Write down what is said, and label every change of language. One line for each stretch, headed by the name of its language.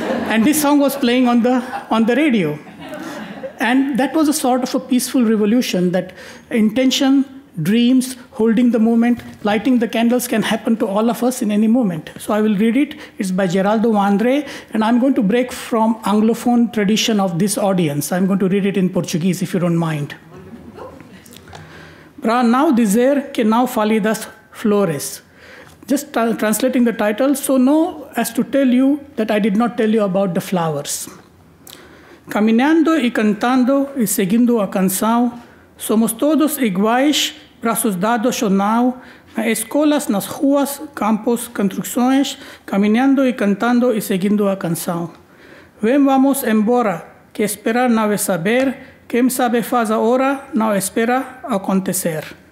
English: And this song was playing on the radio. And that was a sort of a peaceful revolution, that intention, dreams, holding the moment, lighting the candles can happen to all of us in any moment. So I will read it. It's by Geraldo Vandré, and I'm going to break from Anglophone tradition of this audience. I'm going to read it in Portuguese, if you don't mind.
Portuguese: Para now dizer que não fale das flores.
English: Just translating the title, so no as to tell you that I did not tell you about the flowers.
Portuguese: Caminhando e cantando e seguindo a canção, somos todos iguais, braços dados ou não, nas escolas, nas ruas, campos, construções, caminhando e cantando e seguindo a canção. Vem, vamos embora, que esperar não é saber, quem sabe faz a hora, não espera acontecer.